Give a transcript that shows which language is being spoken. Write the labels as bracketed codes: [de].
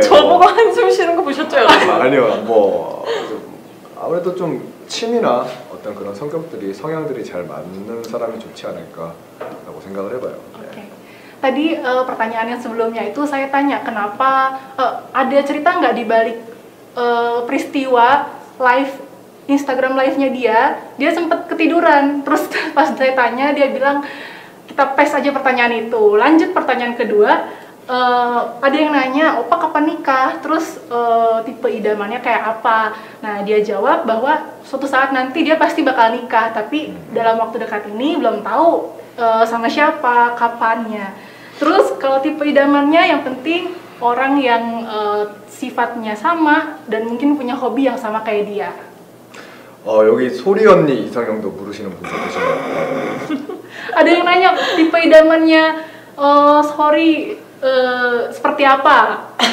[ko] 저보고 한숨 쉬는 거 보셨죠? 아니요 뭐 좀 아무래도 좀 취미나 어떤 그런 성격들이 성향들이 잘 맞는 사람이 좋지 않을까라고 생각을 해봐요. 네. [id] Tadi pertanyaan yang sebelumnya itu saya tanya kenapa ada cerita nggak di balik peristiwa live Instagram live-nya dia sempat ketiduran. Terus pas saya tanya dia bilang kita pes aja pertanyaan itu. Lanjut pertanyaan kedua, ada yang nanya opa kapan nikah, terus tipe idamannya kayak apa. Nah dia jawab bahwa suatu saat nanti dia pasti bakal nikah, tapi dalam waktu dekat ini belum tahu sama siapa, kapannya. Terus kalau tipe idamannya yang penting orang yang sifatnya sama dan mungkin punya hobi yang sama kayak dia. [ko] 여기 소리 언니 이상형도 물으시는 분들 계세요. [id] Ada yang nanya tipe idamannya sorry seperti apa?